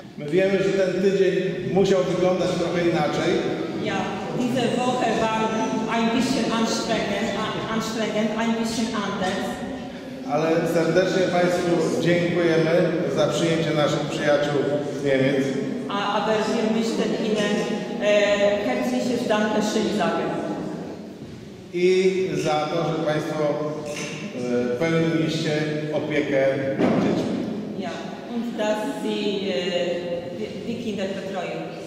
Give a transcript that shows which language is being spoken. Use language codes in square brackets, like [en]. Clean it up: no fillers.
[pl] Wiemy, że ten tydzień musiał wyglądać trochę inaczej. [de] Ja, diese Woche war ein bisschen anstrengend, ein bisschen anders. [pl] Ale serdecznie Państwu dziękujemy za przyjęcie naszych przyjaciół z Niemiec. [de] Aber wir möchten Ihnen herzliche Dankeschön sagen. [pl] I za to, że Państwo pełniliście opiekę dzieci. [de] Ja, und dass Sie die Kinder betreuen.